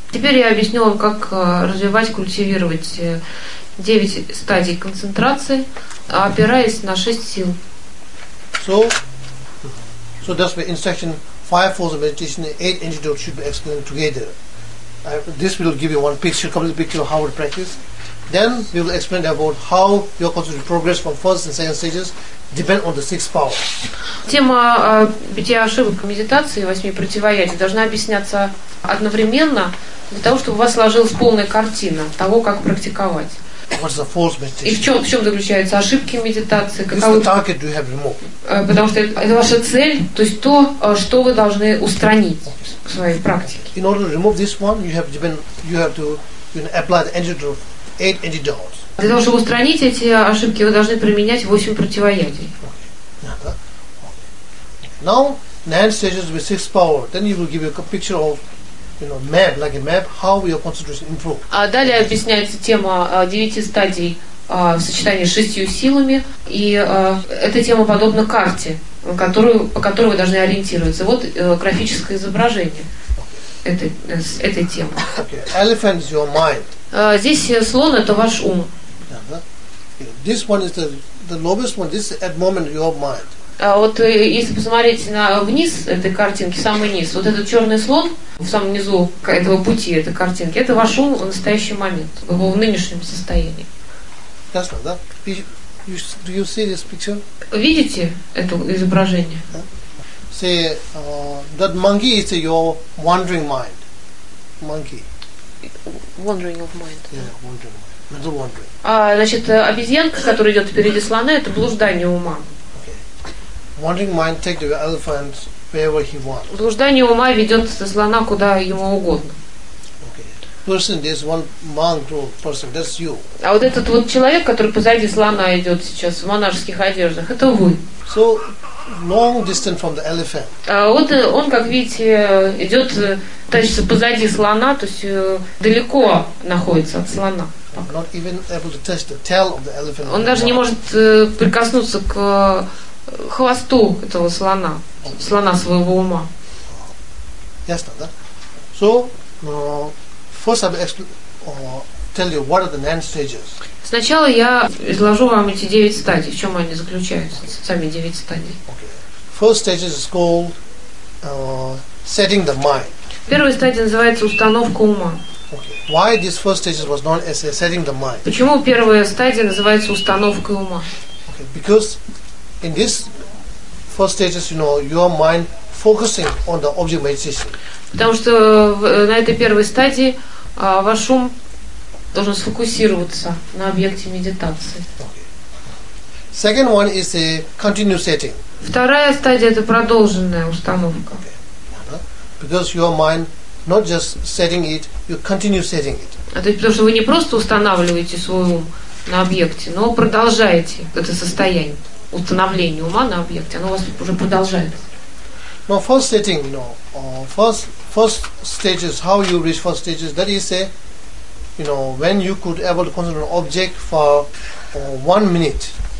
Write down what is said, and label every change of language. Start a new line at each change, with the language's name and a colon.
Russian: Теперь я объясню вам, как развивать, культивировать девять стадий концентрации, опираясь на шесть сил.
English: So that's why instruction five forms of meditation, eight antidotes should be explained together. This will give you one picture, complete picture of how to practice. Then we will explain about how your concentration progress from first and second stages depend on the six power.
Russian: Тема пяти ошибок медитации, восьми противоядий должна объясняться одновременно для того, чтобы у вас сложилась полная картина того, как практиковать.
English: What's the false meditation?
Russian: И в чем заключаются ошибки медитации? Каковы?
English: This target you have removed.
Russian: Потому что это ваша цель, то есть то, что вы должны устранить в своей практике.
English: In order to remove this one, you have to apply the antidote. Eight antidotes.
Russian: Для того, чтобы устранить эти ошибки, вы должны применять восемь противоядий.
English: Now nine stages with six power. Then you will give you a picture of, you know, map, like a map, how your concentration improves.
Russian: А далее объясняется тема девяти стадий в сочетании с шестью силами, и эта тема подобна карте, по которой вы должны ориентироваться. Вот графическое изображение этой темы.
English: Okay. Elephant is your mind.
Russian: Здесь слон – это ваш ум.
English: This one is the lowest one. This is at moment your mind.
Russian: Вот если посмотреть на вниз этой картинки, самый низ, вот этот черный слон в самом низу этого пути, этой картинки, это ваш ум в настоящий момент, в его нынешнем состоянии.
English: That's right. Do you see this picture?
Russian: Видите это изображение?
English: See, that monkey is your wandering mind. Monkey. Wandering of mind. Yeah, wandering. Mental wandering.
Russian: Значит, обезьянка, которая идет впереди слона, это блуждание ума.
English: Okay. Wandering mind takes the elephant wherever he wants.
Russian: Блуждание ума ведет слона куда ему угодно.
English: Okay. Person, there's one monk or person, that's you.
Russian: А вот этот вот человек, который позади слона идет сейчас в монашеских одеждах, это вы.
English: So long distance from the elephant.
Russian: Вот он, как видите, идет, тащится позади слона, то есть далеко находится от слона.
English: Not even able to touch the tail of the elephant.
Russian: Он даже не может прикоснуться к хвосту этого слона, okay. Слона своего ума.
English: Yes,
Russian: да.
English: So, first I'll tell you what are the nine stages.
Russian: Сначала я изложу вам эти девять стадий, в чем они заключаются, сами девять стадий.
English: Okay. First stage is called setting the mind.
Russian: Первая стадия называется установка ума.
English: Okay. Why this first stage was known as setting the mind?
Russian: Почему первая стадия называется установка ума?
English: Okay. Because in this first stage, you know, your mind focusing on the object meditation.
Russian: Потому что на этой первой стадии ваш ум должен сфокусироваться на объекте медитации.
English: Okay. Second one is a continuous setting.
Russian: Вторая стадия – это продолженная установка.
English: Okay. Because your mind not just setting it, you continue setting it.
Russian: А то есть потому что вы не просто устанавливаете свой ум на объекте, но продолжаете это состояние установления ума на объекте, оно у вас уже продолжается.
English: Now first setting, you know, first stages, how you reach first stages, that is a, you know, when you could able to concentrate on object for 1 minute.